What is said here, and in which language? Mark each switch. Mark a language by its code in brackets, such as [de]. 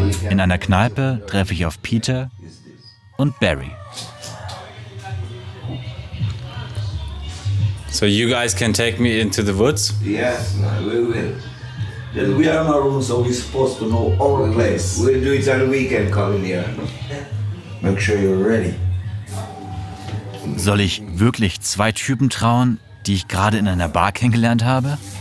[de] In einer Kneipe treffe ich auf Peter und Barry. [en] So you guys can take me into the woods? Yes, we will. Then we are Maroons, so we're supposed to know all the place. We'll do it on the weekend, coming here. Make sure you're ready. [de] Soll ich wirklich zwei Typen trauen, die ich gerade in einer Bar kennengelernt habe?